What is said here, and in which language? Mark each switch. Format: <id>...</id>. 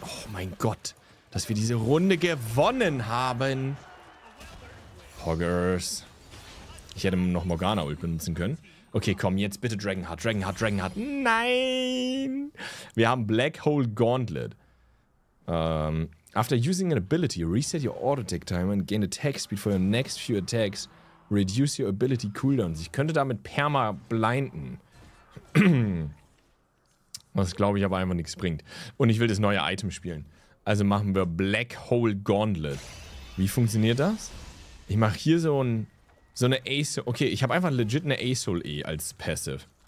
<de>Oh mein Gott, dass wir diese Runde gewonnen haben. Hoggers. Ich hätte noch Morgana Ult benutzen können. Okay, komm, jetzt bitte Dragonheart. Nein! Wir haben Black Hole Gauntlet.</de> <en>After using an ability, reset your auto attack timer and gain attack speed for your next few attacks. Reduce your ability cooldowns.</en> <de>Ich könnte damit perma blinden. Was, glaube ich, aber einfach nichts bringt. Und ich will das neue Item spielen. Also machen wir Black Hole Gauntlet. Wie funktioniert das? Ich mache hier so eine Ace... Okay, ich habe einfach legit eine Ace Hole E als Passive.</de>